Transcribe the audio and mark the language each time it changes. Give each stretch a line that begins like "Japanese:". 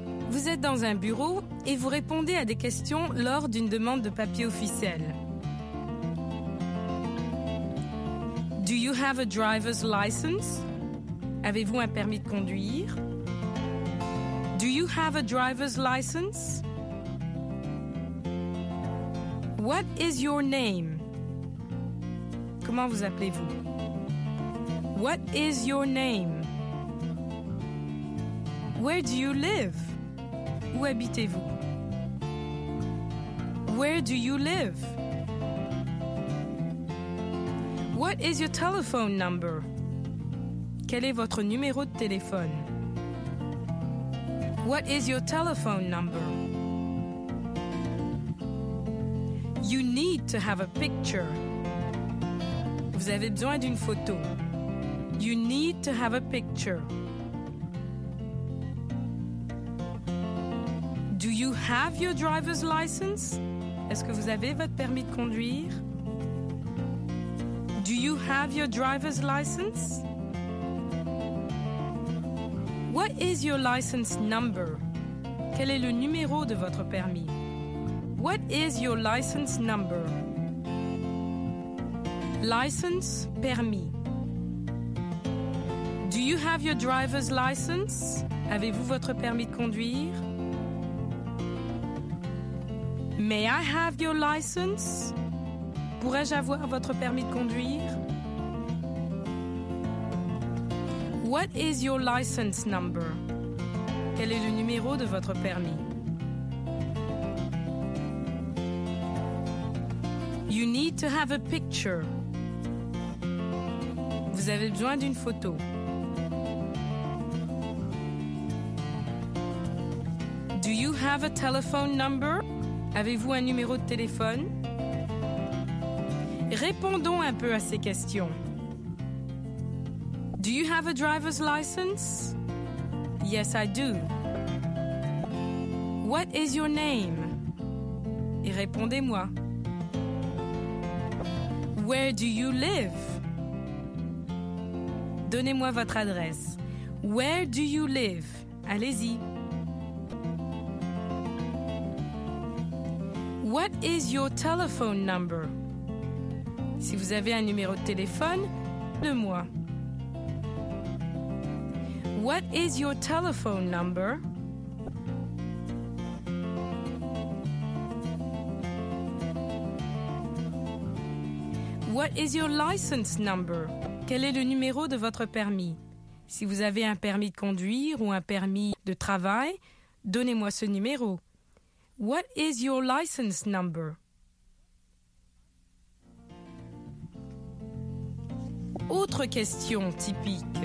French: Vous êtes dans un bureau et vous répondez à des questions lors d'une demande de papier officiel.
English: Do you have a driver's license?
French: Avez-vous un permis de conduire?
English: Do you have a driver's license? What is your name?
French: Comment vous appelez-vous?
English: What is your name? Where do you live?
French: Où habitez-vous?
English: Where do you live? What is your telephone number?
French: Quel est votre numéro de téléphone?
English: What is your telephone number? You need to have a picture.
French: Vous avez besoin d'une photo.
English: You need to have a picture. Do you have your driver's license?
French: Est-ce que vous avez votre permis de conduire?
English: Do you have your driver's license? What is your license number?
French: Quel est le numéro de votre permis?
English: What is your license number? License, permis. Do you have your driver's license?
French: Avez-vous votre permis de conduire?
English: May I have your license?
French: Pourrais-je avoir votre permis de conduire?
English: What is your license number?
French: Quel est le numéro de votre permis?
English: You need to have a picture.
French: Vous avez besoin d'une photo.
English: Do you have a telephone number?
French: Avez-vous un numéro de téléphone? Répondons un peu à ces questions.
English: Do you have a driver's license? Yes, I do. What is your name?
French: Et répondez-moi.
English: Where do you live?
French: Donnez-moi votre adresse.
English: Where do you live?
French: Allez-y.
English: What is your telephone number?
French: Si vous avez un numéro de téléphone, donnez-moi.
English: What is your telephone number? What is your license number?
French: Quel est le numéro de votre permis? Si vous avez un permis de conduire ou un permis de travail, donnez-moi ce numéro.
English: What is your license number?
French: Autre question typique.